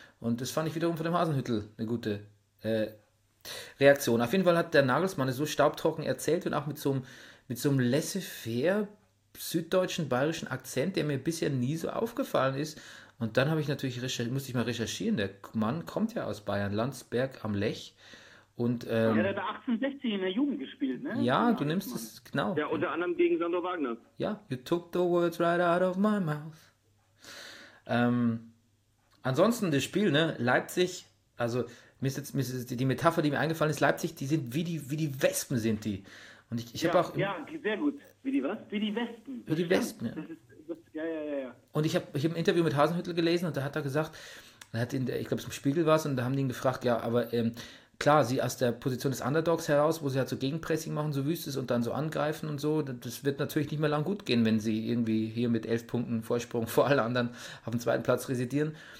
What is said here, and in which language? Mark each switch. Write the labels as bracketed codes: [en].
[de] Und das fand ich wiederum von dem Hasenhüttl eine gute Reaktion. Auf jeden Fall hat der Nagelsmann es so staubtrocken erzählt und auch mit so einem laissez-faire süddeutschen, bayerischen Akzent, der mir bisher nie so aufgefallen ist. Und dann habe ich natürlich musste ich mal recherchieren. Der Mann kommt ja aus Bayern, Landsberg am Lech. Und, Ja, der hat 1860 in der Jugend gespielt, ne? Ja, du nimmst es, genau. Ja, unter anderem gegen Sandro Wagner. [en] Ja, you took the words right out of my mouth. [de] Ansonsten das Spiel, ne? Leipzig, also die Metapher, die mir eingefallen ist, Leipzig, die sind wie die Wespen sind die. Und ich habe auch... Ja, sehr gut. Wie die was? Wie die Wespen. Wie die Wespen, ja. Ja. Und ich hab ein Interview mit Hasenhüttl gelesen und da hat er gesagt, ich glaube, es im Spiegel war es, und da haben die ihn gefragt, ja, aber klar, sie aus der Position des Underdogs heraus, wo sie halt so Gegenpressing machen, so wüst ist und dann so angreifen und so, das wird natürlich nicht mehr lang gut gehen, wenn sie irgendwie hier mit 11 Punkten Vorsprung vor allen anderen auf dem zweiten Platz residieren.